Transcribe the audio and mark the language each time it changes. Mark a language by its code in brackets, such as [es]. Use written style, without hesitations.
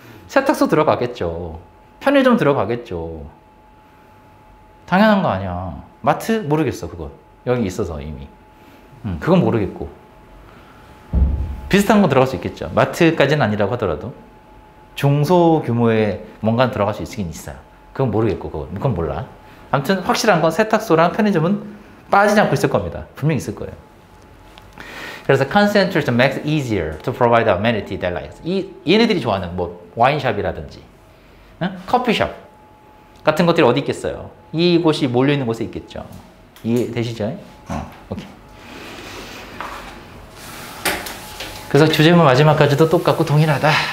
[ko] 세탁소 들어가겠죠. 편의점 들어가겠죠. 당연한 거 아니야. 마트? 모르겠어, 그거. 여기 있어서 이미. 그건 모르겠고. 비슷한 거 들어갈 수 있겠죠. 마트까지는 아니라고 하더라도. 중소 규모에 뭔가 들어갈 수 있긴 있어요. 그건 모르겠고, 그건 몰라. 아무튼 확실한 건 세탁소랑 편의점은 빠지지 않고 있을 겁니다. 분명히 있을 거예요. 그래서 [en] concentration makes it easier to provide amenity that likes. [ko] 얘네들이 좋아하는 뭐 와인샵이라든지 응? 커피숍 같은 것들이 어디 있겠어요? 이곳이 몰려있는 곳에 있겠죠. 이해되시죠? 오케이. 그래서 주제문 마지막까지도 똑같고 동일하다.